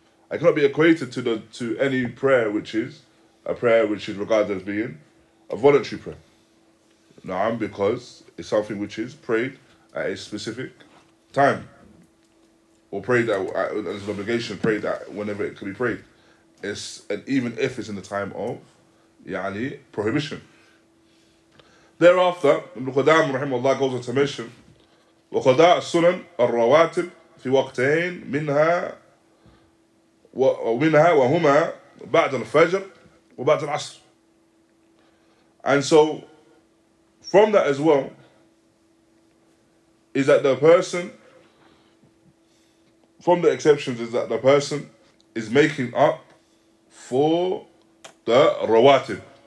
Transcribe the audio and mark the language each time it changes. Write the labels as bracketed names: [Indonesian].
[English] It cannot be equated to any prayer which is a prayer which is regarded as being a voluntary prayer. Na'am, because it's something which is prayed at a specific time. Or prayed as an obligation, prayed that whenever it can be prayed. And even if it's in the time of yani prohibition. Thereafter, Ibn Qudamah rahimahullah goes on to mention [Arabic] وَقَضَاءَ السُّنَنْ الرَّوَاتِبْ فِي وَقْتَيْنْ مِنْهَا وَهُمَا بَعْدَ الْفَجْرِ وَبَعْدَ الْعَصْرِ. [English] And so, from that as well, is that the person, from the exceptions, is that the person is making up for the rawatib.